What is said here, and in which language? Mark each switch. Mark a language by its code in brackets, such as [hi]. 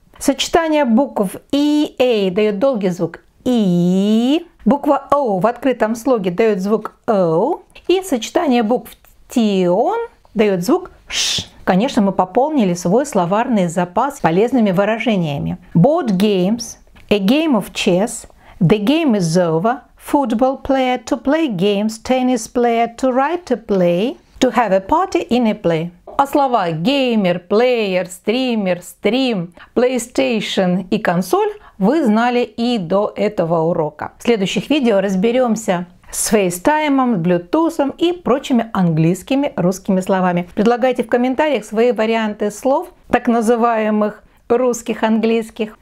[ru] Сочетание букв «и» и «эй» дает долгий звук «и». Буква «о» в открытом слоге дает звук «оу». И сочетание букв «тион» дает звук «ш». Конечно, мы пополнили свой словарный запас полезными выражениями. [en] Board games, a game of chess, the game is over, football player, to play games, tennis player, to write a play, to have a party in a play. [ru] А слова «геймер», «плеер», «стример», «стрим», «PlayStation» и «консоль» вы знали и до этого урока. В следующих видео разберемся с FaceTime, Bluetooth и прочими английскими русскими словами. Предлагайте в комментариях свои варианты слов, так называемых русских, английских.